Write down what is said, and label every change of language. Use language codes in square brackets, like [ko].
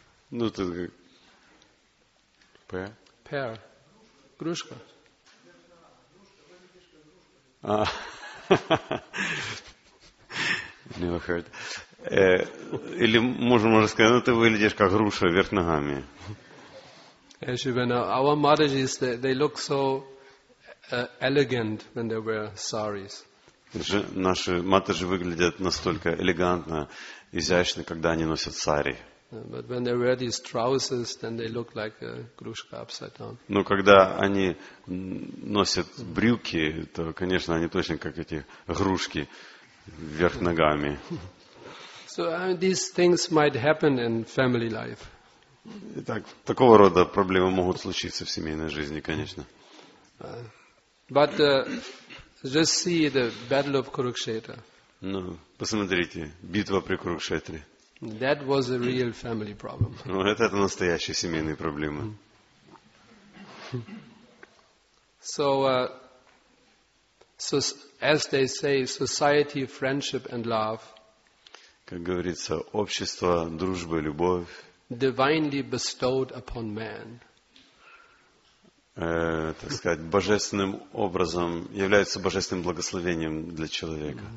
[ru] Ну, ты как... [en] Pear? Pear. [ru] Грушка. [en] Never heard. [ru] Или можно сказать, ну ты выглядишь как груша вверх ногами. [en] Our Matajis, they look so elegant when they wear saris. [ru] Наши матаджи выглядят настолько элегантно, изящно, когда они носят сари. [en] But when they wear these trousers, then they look like a grushka upside down. [ru] Но когда они носят брюки, то, конечно, они точно как эти грушки вверх ногами. [en] So these things might happen in family life. [ru] Итак, такого рода проблемы могут случиться в семейной жизни, конечно. [en] But just see the battle of Kurukshetra. [ru] Ну, посмотрите, битва при Курукшетре. [en] That was a real family problem. [ru] Ну, это настоящие семейные проблемы. [en] So, as they say, society, friendship and love. [ru] Как говорится, общество, дружба, любовь. [en] Divinely bestowed upon man. [ru] Так сказать, божественным образом, являются божественным благословением для человека.